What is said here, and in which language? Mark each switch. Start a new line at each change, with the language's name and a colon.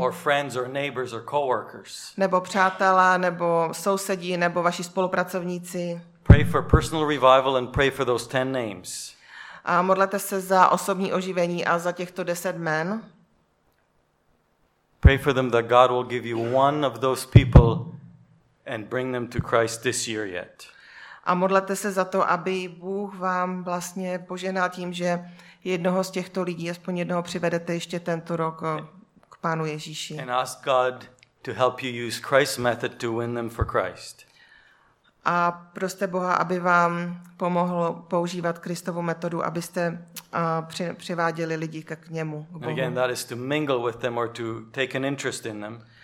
English: Or friends or neighbors or coworkers.
Czech: Nebo přátelé, nebo sousedí, nebo vaši spolupracovníci.
English: Pray for personal revival and pray for those 10 names.
Czech: A modlete se za osobní oživení a za těchto 10 men.
English: Pray for them that God will give you one of those people and bring them to Christ this year yet.
Czech: A modlete se za to, aby Bůh vám vlastně požehnal tím, že jednoho z těchto lidí, aspoň jednoho, přivedete ještě tento rok k Pánu Ježíši.
English: And ask God to help you use Christ's method to win them for Christ.
Czech: A proste Boha, aby vám pomohl používat Kristovu metodu, abyste přiváděli lidi k němu, k Bohu.
English: Again, that is to mingle with them or to take an interest in them.